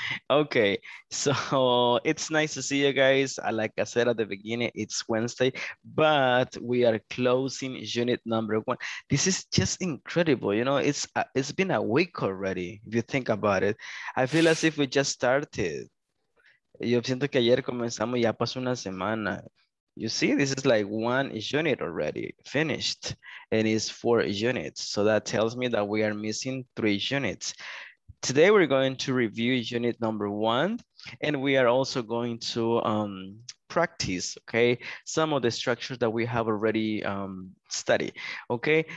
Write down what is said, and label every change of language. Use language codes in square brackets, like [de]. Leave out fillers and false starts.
[en] Okay, so it's nice to see you guys. Like I said at the beginning, it's Wednesday, but we are closing unit number one. This is just incredible. You know, it's been a week already, if you think about it. I feel as if we just started. [es] Yo siento que ayer comenzamos, ya pasó una semana. [en] You see, this is like one unit already finished, and it's four units. So that tells me that we are missing three units. Today, we're going to review unit number one, and we are also going to practice, okay, some of the structures that we have already studied, okay?